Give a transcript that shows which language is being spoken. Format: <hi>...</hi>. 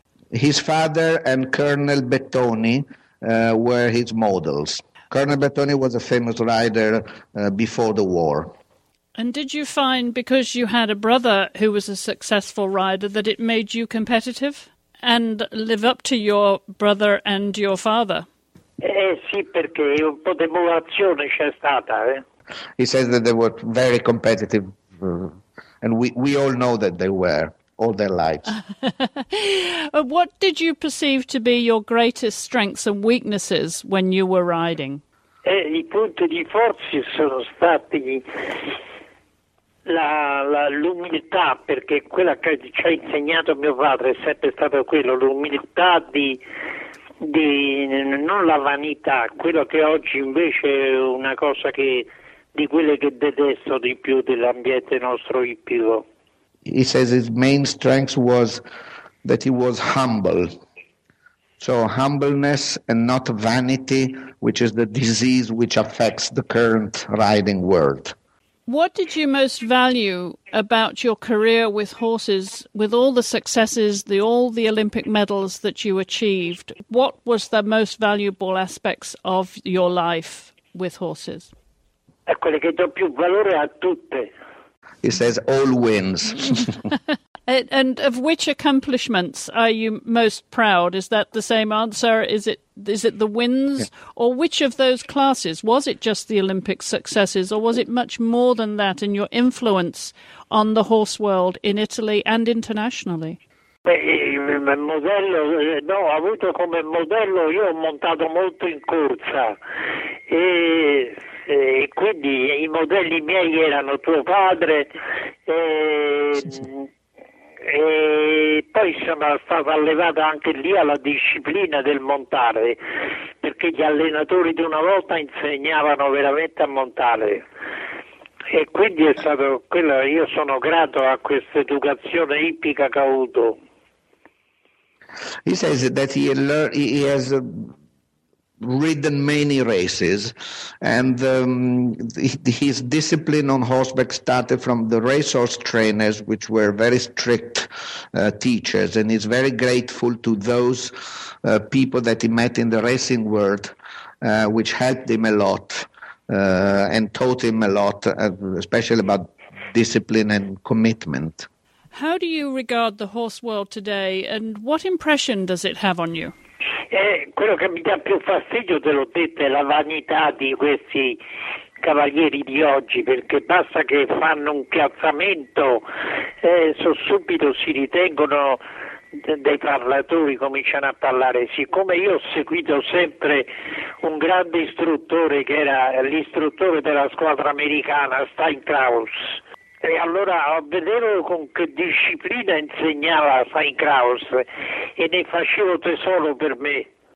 <en>His father and Colonel Bettoni were his models. Colonel Bettoni was a famous rider before the war. And did you find, because you had a brother who was a successful rider, that it made you competitive and live up to your brother and your father?</en> <it>Sì, perché un po' di emulazione c'è stata.</it> <en>He says that they were very competitive, and we all know that they were all their lives. What did you perceive to be your greatest strengths and weaknesses when you were riding?</en> <it>I punti di forza sono stati l'umiltà, perché quella che ci ha insegnato mio padre è sempre stata quello, l'umiltà di non la vanità, quello che oggi invece è una cosa che di quelle che detesto di più dell'ambiente nostro ippico.</it> <en>He says his main strength was that he was humble. So humbleness and not vanity, which is the disease which affects the current riding world. What did you most value about your career with horses, with all the successes, all the Olympic medals that you achieved? What was the most valuable aspects of your life with horses?</en> <it>È quello che do più valore a tutte.</it> <en>He says, all wins. And of which accomplishments are you most proud? Is that the same answer? Is it the wins? Yeah. Or which of those classes? Was it just the Olympic successes? Or was it much more than that in your influence on the horse world in Italy and internationally?</en> <it>Modello, no, ho avuto come modello, io ho montato molto in corsa. E quindi i modelli miei erano tuo padre, e poi sono stato allevato anche lì alla disciplina del montare, perché gli allenatori di una volta insegnavano veramente a montare, e quindi è stato quello, io sono grato a questa educazione ippica che ho avuto.</it> <en>He says that he has ridden many races, and his discipline on horseback started from the racehorse trainers, which were very strict teachers, and he's very grateful to those people that he met in the racing world, which helped him a lot and taught him a lot, especially about discipline and commitment. How do you regard the horse world today, and what impression does it have on you?</en> <it>Quello che mi dà più fastidio, te l'ho detto, è la vanità di questi cavalieri di oggi, perché basta che fanno un piazzamento e subito si ritengono dei parlatori, cominciano a parlare. Siccome io ho seguito sempre un grande istruttore, che era l'istruttore della squadra americana, Stein Krauss, e allora vedevo con che disciplina insegnava Stein Krauss e ne facevo tesoro per me.</it>